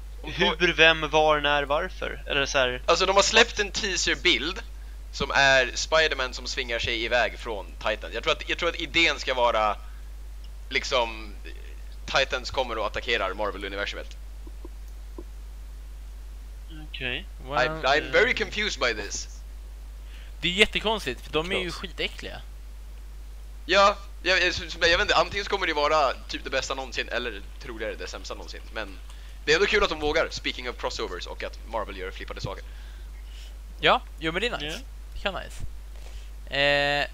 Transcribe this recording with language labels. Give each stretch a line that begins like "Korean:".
Swedish: Hur, vem, var, när, varför? Eller så här... Alltså de har släppt en teaser-bild som är Spider-Man som svingar sig iväg från Titan. Jag tror att idén ska vara liksom Titans kommer och attackerar Marvel-universumet. Okej.
English: Okay. Well, I'm very confused by this.
Swedish: Det är jättekonstigt, för de är ju skitäckliga. Ja, jag vet inte, antingen kommer det vara typ det bästa någonsin eller troligare det sämsta någonsin, men det är ändå kul att de vågar,
English: speaking of crossovers,
Swedish: och att Marvel gör flippade saker. Ja, jo, men det är nice. Yeah. Nice.